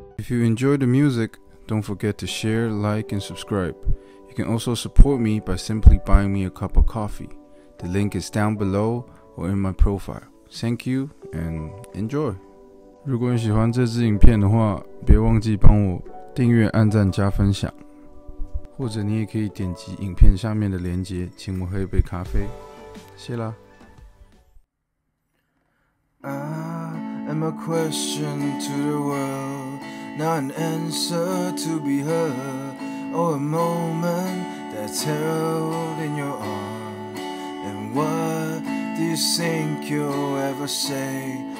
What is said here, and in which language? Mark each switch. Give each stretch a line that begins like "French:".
English: enjoy the music, don't forget to share, like, and subscribe. You can also support me by simply buying me a cup of coffee. The link is down below or in my profile. Thank you and enjoy.
Chinese: 如果你喜欢这支影片的话，别忘记帮我订阅、按赞、加分享，或者你也可以点击影片下面的连结，请我喝一杯咖啡，谢啦。
English: I'm a question to the world, not an answer to be heard, or a moment that's held in your arms. And what do you think you'll ever say?